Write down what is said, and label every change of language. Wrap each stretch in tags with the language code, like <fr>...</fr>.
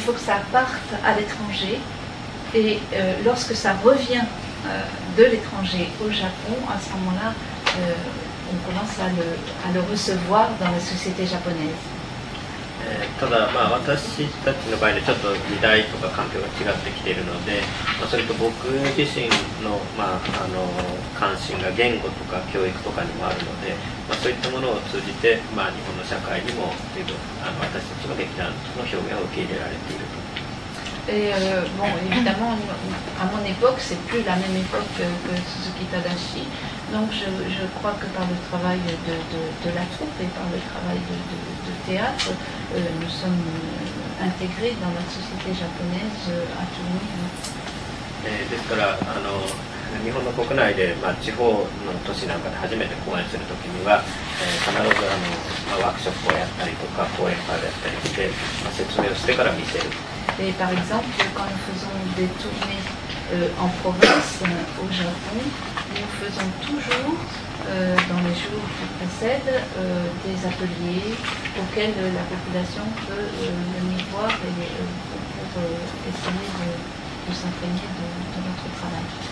<fr>Il faut que ça parte à l'étranger. Et lorsque ça revient de l'étranger au Japon, à ce moment-là, on commence à le recevoir dans la société japonaise.</fr> <ja>ただ、まあ、私たちの場合でちょっと時代とか環境が違ってきているので、まあ、それと僕自身の、まあ、あの関心が言語とか教育とかにもあるので、まあ、そういったものを通じて、まあ、日本の社会にも随分あの私たちの劇団の表現を受け入れられていると。</ja> <fr>Et bon, évidemment, à mon époque, c'est plus la même époque que Suzuki Tadashi. Donc, je crois que par le travail de la troupe et par le travail de théâtre, nous sommes intégrés dans la société japonaise à tout niveau.</fr> <ja>ですから、あの、日本の国内で、まあ、地方の都市なんかで初めて公演するときには、必ずあの、まあ、ワークショップをやったりとか、講演会をやったりして、まあ、説明をしてから見せる。</ja> <fr>Et par exemple, quand nous faisons des tournées en province, au Japon, nous faisons toujours, dans les jours qui précèdent, des ateliers auxquels la population peut venir voir et pour essayer de s'imprégner de notre travail.</fr>